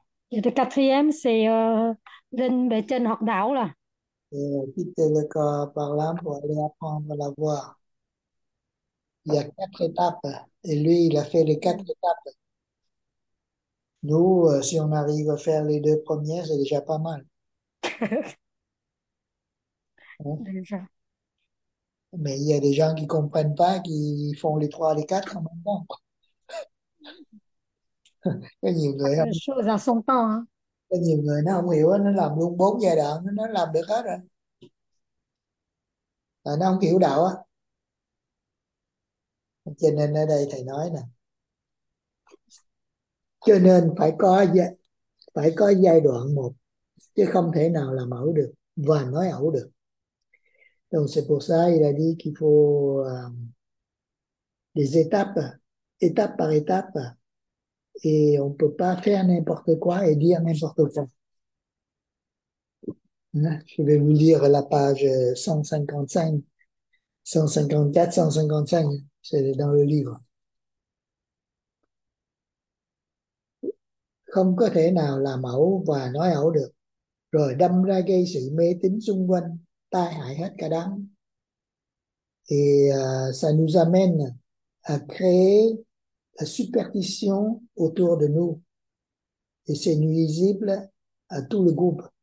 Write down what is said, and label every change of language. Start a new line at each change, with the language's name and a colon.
French: Et le quatrième c'est
Vietnamese: lên bề trên học đạo là. tiếp theo là có bảo lãm của Lê Hồng và là vua và các étapes,
French: et lui il a fait les quatre étapes. Nous, si on arrive à faire les deux premières, c'est déjà pas mal. Hein? Déjà. Mais il y a des gens qui ne comprennent pas, qui font les trois, les quatre en temps. Les choses à son temps, hein.
Vietnamese: Có nhiều người nó không hiểu, nó làm luôn bốn giai đoạn, nó làm được hết rồi. Nó không hiểu đạo á. Cho nên ở đây thầy nói nè. Cho nên phải có giai đoạn một chứ không thể nào làm ẩu được và nói ẩu được.
French: Donc c'est pour ça il a dit qu'il faut des étapes, étape par étape, et on peut pas faire n'importe quoi et dire n'importe quoi. Je vais vous lire la page 155, 154, 155, c'est dans le livre.
Vietnamese: Không có thể nào làm ẩu và nói ẩu được, rồi đâm ra gây sự mê tín xung quanh, tai hại hết cả đám.
French: Et ça nous amène à créer la superstition autour de nous. Et c'est nuisible à tout le groupe.